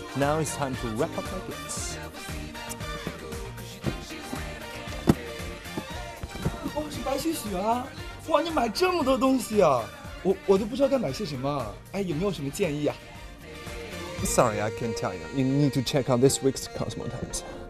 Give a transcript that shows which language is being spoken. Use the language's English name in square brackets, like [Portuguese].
[English] Now it's time to wrap up my gifts. [Chinese] 哇，是白旭旭啊！哇，你买这么多东西啊！我都不知道该买些什么。哎，有没有什么建议啊？ [English] Sorry, I can't tell you. You need to check out this week's Cosmo Times.